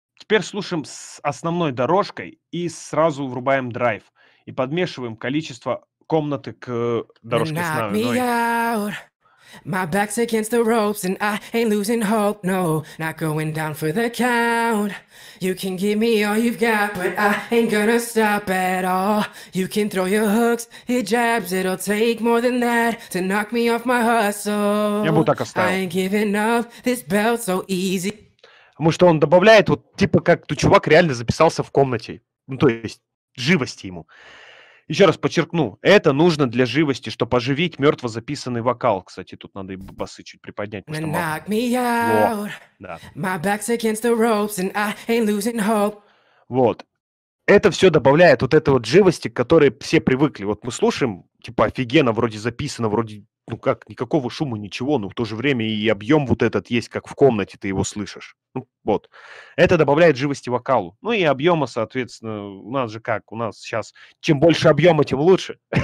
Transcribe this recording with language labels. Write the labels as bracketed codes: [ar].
[ru] Теперь слушаем с основной дорожкой и сразу врубаем драйв. И подмешиваем количество комнаты к дорожке основной. [en] My back's against the ropes and I ain't losing hope, no. Not going down for the count. You can give me all you've got, but I ain't gonna stop at all. You can throw your hooks, your jabs, it'll take more than that to knock me off my hustle. I ain't giving up this belt so easy. [ru] Потому что он добавляет, вот типа как тут чувак реально записался в комнате. Ну то есть живости ему. Еще раз подчеркну, это нужно для живости, чтобы оживить мертво записанный вокал. Кстати, тут надо и басы чуть приподнять. [en] Knock me out. [ru] Да. [en] My back's against the ropes and I ain't losing hope. [ru] Вот. Это все добавляет вот этой вот живости, к которой все привыкли. Вот мы слушаем, типа, офигенно, вроде записано, вроде, ну как, никакого шума, ничего, но в то же время и объем вот этот есть, как в комнате, ты его слышишь. Ну, вот. Это добавляет живости вокалу. Ну и объема, соответственно, у нас же как, у нас сейчас, чем больше объема, тем лучше.